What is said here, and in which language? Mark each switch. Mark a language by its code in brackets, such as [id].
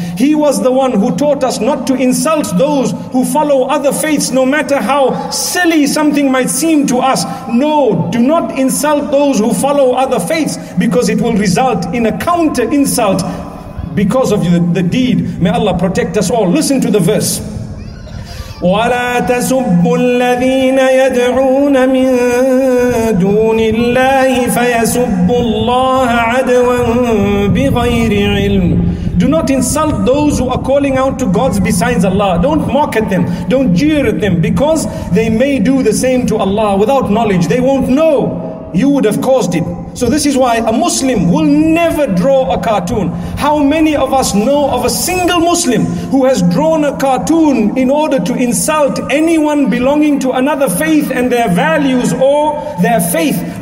[en] He was the one who taught us not to insult those who follow other faiths, no matter how silly something might seem to us. No, do not insult those who follow other faiths, because it will result in a counter insult because of the deed. May Allah protect us all. Listen to the verse. [ar] ولا تسبوا الذين يدعون من دون الله فيسبوا الله عدوا بغير علم. [en] Do not insult those who are calling out to gods besides Allah. Don't mock at them. Don't jeer at them, because they may do the same to Allah without knowledge. They won't know. You would have caused it. So this is why a Muslim will never draw a cartoon. How many of us know of a single Muslim who has drawn a cartoon in order to insult anyone belonging to another faith and their values or their faith?